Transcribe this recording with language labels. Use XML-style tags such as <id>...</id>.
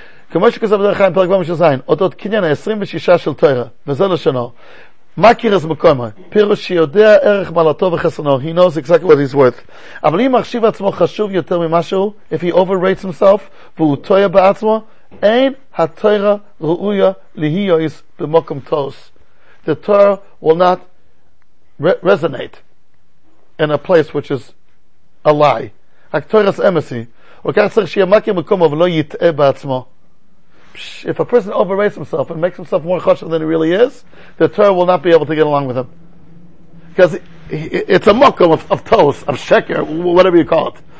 <he>כמו שכתוב בדרך חיים פרק במשל זין, אותות קניין ה-26 של תורה, וזה לשונו, מכיר אז מקומה, פירוש שיודע ערך מעלתו וחסרונו,</he> <en>he knows exactly what he's worth.</en> <he>אבל אם מחשיב עצמו חשוב יותר ממשהו,</he> <en>if he overrates himself,</en> <he>והוא טועה בעצמו, אין התורה ראויה להיות במקום תוס.</he> <en>The Torah will not resonate in a place which is a lie.</en> <he>התורה זה אמסי, וכך צריך שיהיה מכיר מקומה ולא יטעה בעצמו.</he> <en>If a person overrates himself and makes himself more chashuv than he really is, the Torah will not be able to get along with him. Because it's a mokum of tos, of sheker, whatever you call it.</en>